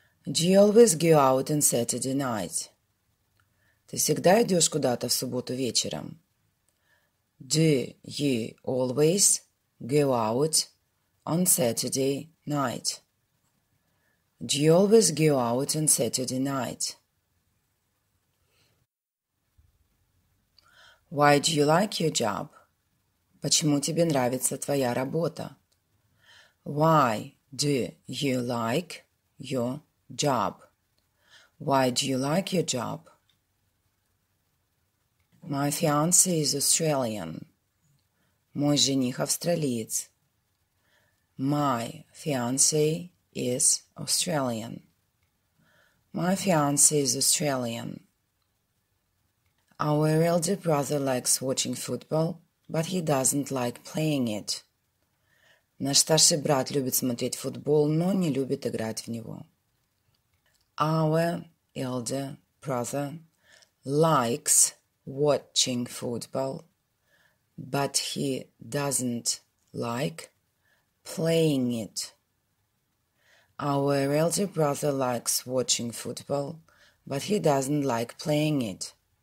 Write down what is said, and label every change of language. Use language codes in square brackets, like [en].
[en] Do you always go out on Saturday night? [ru] Ты всегда идешь куда-то в субботу вечером. [en] Do you always go out on Saturday night? Do you always go out on Saturday night? Why do you like your job? [ru] Почему тебе нравится твоя работа? [en] Why do you like your job? Why do you like your job? My fiance is Australian. [ru] Мой жених австралиец. [en] My fiance is Australian. My fiance is Australian. Our elder brother likes watching football, but he doesn't like playing it. [ru] Наш старший брат любит смотреть футбол, но не любит играть в него. [en] Our elder brother likes watching football, but he doesn't like playing it. Our elder brother likes watching football, but he doesn't like playing it.